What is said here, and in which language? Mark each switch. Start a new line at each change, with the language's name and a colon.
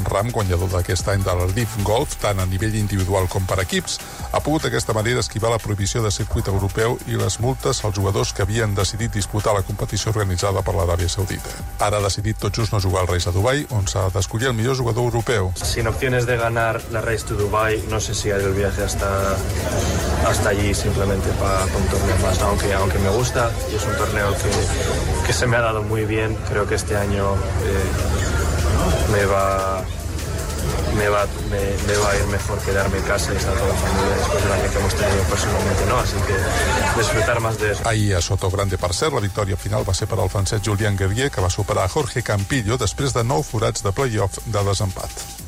Catalan: Rahm, guanyador d'aquest any de la Leaf Golf, tant a nivell individual com per equips, ha pogut d'aquesta manera esquivar la prohibició de circuit europeu i les multes als jugadors que havien decidit disputar la competició organitzada per l'Aràbia Saudita. Ara ha decidit tot just no jugar al Race a Dubai, on s'ha d'escollir el millor jugador europeu.
Spanish: Sin opciones de ganar la Race to Dubai, no sé si hay el viaje hasta allí simplemente para un torneo más, ¿no? Aunque me gusta y es un torneo que que se me ha dado muy bien. Creo que este año me va a ir mejor quedarme en casa y estar con la familia después del año que hemos tenido personalmente, ¿no? Así que disfrutar más de eso.
Catalan: Ahí a Soto Grande, per cert, la victòria final va ser per al francès Julien Guerrier, que va superar a Jorge Campillo després de 9 forats de play-off de desempat.